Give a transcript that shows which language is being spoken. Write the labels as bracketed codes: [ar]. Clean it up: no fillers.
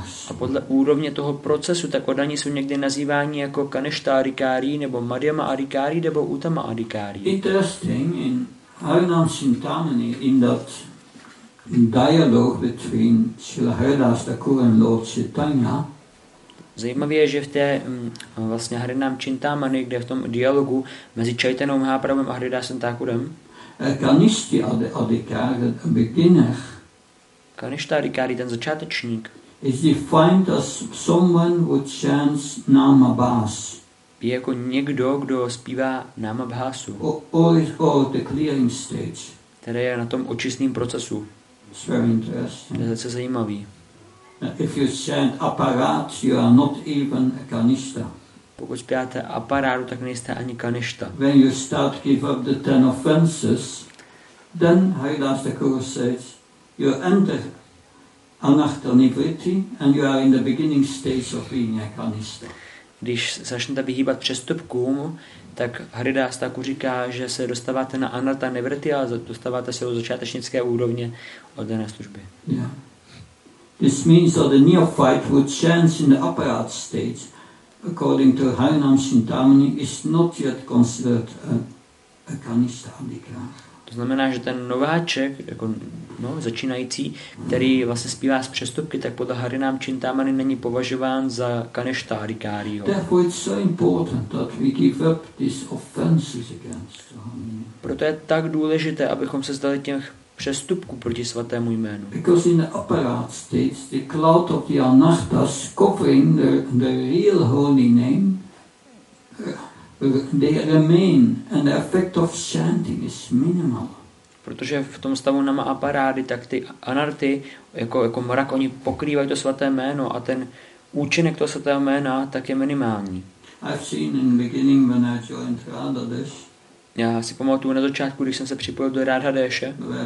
[cs] A podle úrovně toho procesu, tak oddaní jsou někdy nazýváni jako Kanishta Adhikari, nebo Madhyama Adhikari, nebo Uttama Adhikari. [en] Interesting, in Harinam Chintamani, in that dialogue between Srila Haridas Thakur and Lord Chaitanya. [cs] Zajímavé je, že v té vlastně Harinam Chintamani, kde v tom dialogu mezi Chaitanou Mahaprabhem a Haridasem Thakurem. [en] Kanishti Adhikari, a beginner. [cs] Kanishta Adhikari, ten začátečník, [en] is defined as someone who chants namabhas. [cs] Je jako někdo, kdo zpívá namabhasu. [en] Or the clearing stage. [cs] Tedy je na tom očistným procesu. [en] It's very interesting. [cs] Je velice zajímavý. [en] If you chant aparat, you are not even a kanishta. [cs] Pokud zpíváte aparátu, tak nejste ani kanishta. [en] When you start give up the ten offenses, then Haridas Thakur says, you enter anatta nivritti and you are in the beginning stage of being a kanishta. [cs] když začnete vyhýbat přestupkům, tak Haridas Thakur říká, že se dostáváte na anatta nivritti, ale dostáváte se do začátečnické úrovně oddané služby. Yeah. [en] This means that the neophyte who chants in the upper art stage, according to Harinam Chintamani, is not yet considered a kanishtha adhikara. [cs] To znamená, že ten nováček, jako no, začínající, který vlastně zpívá z přestupky, tak podle Harinam Chintamani není považován za kanishtha adhikáriho. [en] Therefore it's so important that we give up these offenses against Harinam. [cs] Proto je tak důležité, abychom se zdali těch přestupků proti svatému jménu. [en] Because in the apparat states, the cloud of the anatta covering the real holy name, they remain and the effect of chanting is minimal. [cs] Protože v tom stavu nama aparády, tak ty anarty, jako mrak, oni pokrývají to svaté jméno a ten účinek toho svatého jména tak je minimální. [en] I've seen in the beginning when I joined Radha Desh. [cs] Já si pamatuju na začátku, když jsem se připojil do Radha Deshe.